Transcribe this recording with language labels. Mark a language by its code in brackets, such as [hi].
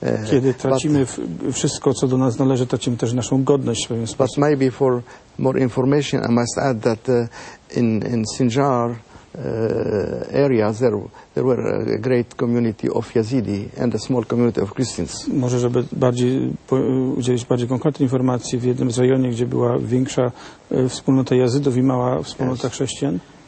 [pl] Kiedy tracimy wszystko, co do nas należy, tracimy też naszą godność w pewien sposób. [en] But maybe for more information, I must add that in Sinjar areas there were a great community of Yazidi and a small community of Christians. [pl] Może żeby bardziej udzielić bardziej konkretnej informacji, w jednym z rejonie, gdzie była większa wspólnota Jazydów i mała wspólnota chrześcijan.